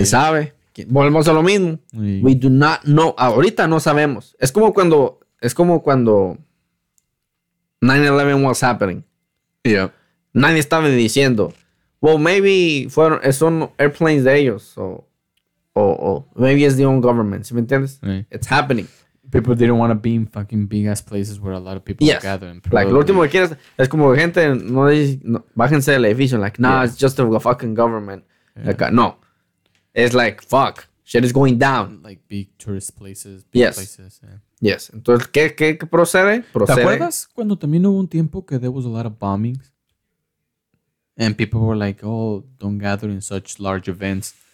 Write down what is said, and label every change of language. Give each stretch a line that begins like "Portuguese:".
Spanish: ¿Quién sabe? Volvemos a lo mismo. Sí.
English: We do not know.
Spanish: Ahorita no sabemos. Es como cuando 9-11
English: was happening. Yeah.
Spanish: Nadie estaba diciendo,
English: well, maybe
Spanish: fueron, son airplanes de ellos.
English: O maybe it's the own government.
Spanish: ¿Sí me entiendes? Sí.
English: It's happening. People didn't want to be in fucking big ass places where a lot of people yes. gather.
Spanish: Like, lo último que quieres es como gente, no dice, no, bájense del edificio.
English: Like, nah, yeah. It's just a fucking government. Yeah. Like, no. It's like, fuck, shit is going down. Like big tourist places, big yes. places. Yeah. Yes.
Spanish: Entonces, ¿qué procede? ¿Te acuerdas cuando también hubo un tiempo que
English: there was a lot of bombings? And people were like, oh, don't gather in such large events.